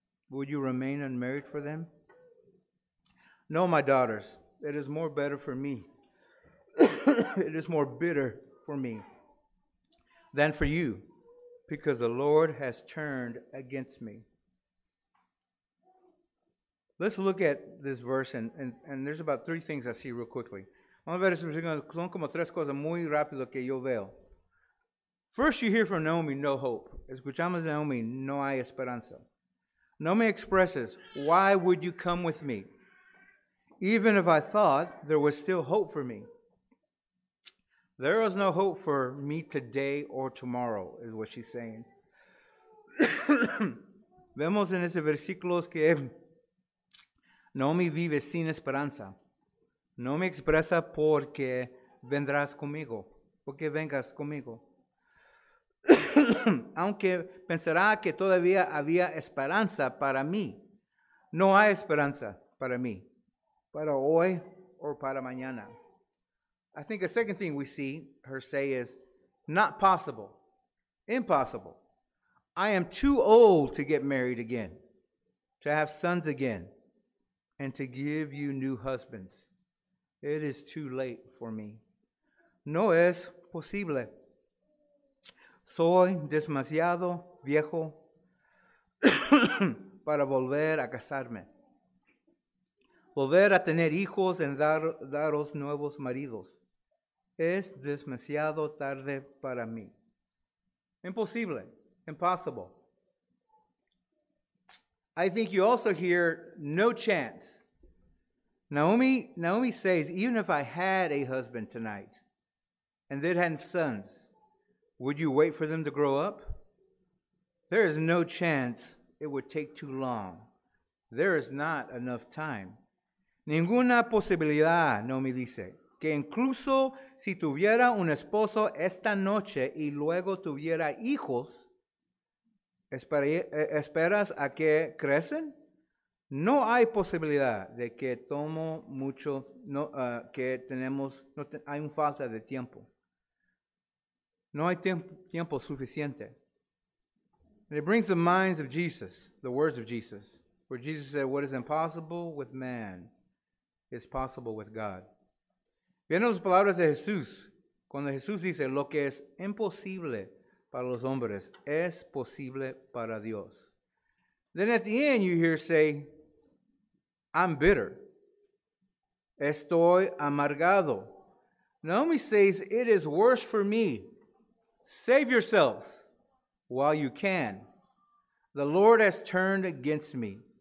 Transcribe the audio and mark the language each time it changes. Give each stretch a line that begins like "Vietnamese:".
English: Would you remain unmarried for them? No, my daughters, it is more better for me. It is more bitter for me than for you, because the Lord has turned against me." Let's look at this verse, and there's about three things I see real quickly.
Spanish: Son como tres cosas muy rápido que yo veo.
English: First, you hear from Naomi, no hope.
Spanish: Escuchamos de Naomi, no hay esperanza. No me expreses,
English: why would you come with me? Even if I thought there was still hope for me. There is no hope for me today or tomorrow, is what she's saying.
Spanish: Vemos en ese versículo que Naomi vive sin esperanza. No me expresa porque vendrás conmigo, porque vengas conmigo. Aunque pensará que todavía había esperanza para mí. No hay esperanza para mí, para hoy o para mañana.
English: I think a second thing we see her say is, not possible, impossible. I am too old to get married again, to have sons again, and to give you new husbands. It is too late for me.
Spanish: No es posible. Soy demasiado viejo para volver a casarme. Volver a tener hijos y daros nuevos maridos. Es demasiado tarde para mí. Imposible. Impossible.
English: I think you also hear no chance. Naomi says, even if I had a husband tonight and they had sons, would you wait for them to grow up? There is no chance it would take too long. There is not enough time.
Spanish: Ninguna posibilidad, Naomi dice, que incluso si tuviera un esposo esta noche y luego tuviera hijos, ¿esperas a que crecen? No hay posibilidad de que tomo mucho, hay una falta de tiempo. No hay tiempo suficiente.
English: And it brings the minds of Jesus, the words of Jesus, where Jesus said, what is impossible with man is possible with God.
Spanish: Vienen las palabras de Jesús, cuando Jesús dice, lo que es imposible para los hombres es posible para Dios.
English: Then at the end you hear say, I'm bitter.
Spanish: Estoy amargado.
English: Naomi says, it is worse for me. Save yourselves while you can. The Lord has turned against me.